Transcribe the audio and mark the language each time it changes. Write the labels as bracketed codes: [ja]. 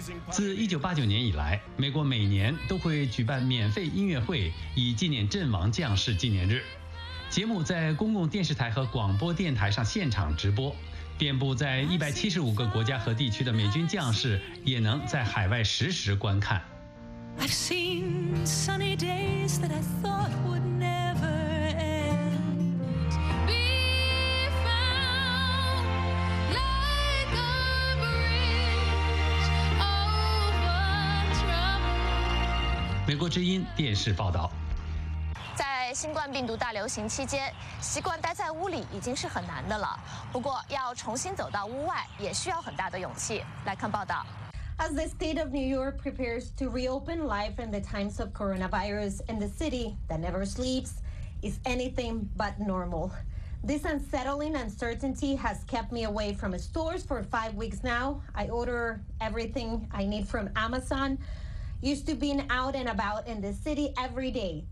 [zh] 自1989年以来，美国每年都会举办免费音乐会以纪念阵亡将士纪念日。节目在公共电视台和广播电台上现场直播，遍布在175个国家和地区的美军将士也能在海外实时观看。 [en] I've seen sunny days that I thought would never end be found like a bridge over trouble。 [zh] 美国之音电视报道。在新冠病毒大流行期间，习惯待在屋里已经是很难的了，不过要重新走到屋外也需要很大的勇气。来看报道。 [en] As the state of New York prepares to reopen life in the times of coronavirus in the city that never sleeps is anything but normal. This unsettling uncertainty has kept me away from stores for 5 weeks now. I order everything I need from AmazonUsed to being out and about in the city every day.